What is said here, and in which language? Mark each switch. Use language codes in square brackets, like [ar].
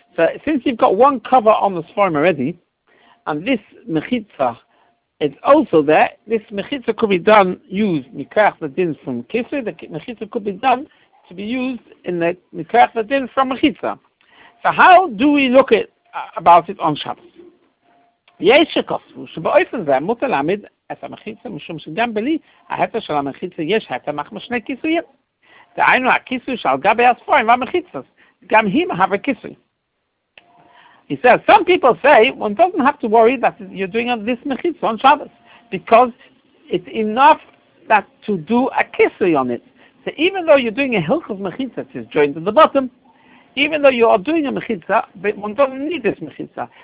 [en] So since you've got one cover on the sforim already, and this mechitza is also there, this mechitza could be done, used, mikrach v'din from kisri, the mechitza could be done to be used in the mikrach v'din from mechitza. So how do we look at about it on Shabbos? [he] יש שכוסו, שבאופן זה מותר להעמיד את המחיצה, משום שגם בלי ההטה של המחיצה יש הטה מחמשני כיסויים. דהיינו הכיסוי שעל גבי הספורים והמחיצה, גם היא מהווה כיסוי. [en] He says, some people say, one doesn't have to worry that you're doing this מחיצה on Shabbos, because it's enough that to do a כיסוי on it. So even though you're doing a הלכות מחיצה, it's joined at the bottom, even though you are doing a mechitza, but one doesn't need this mechitza.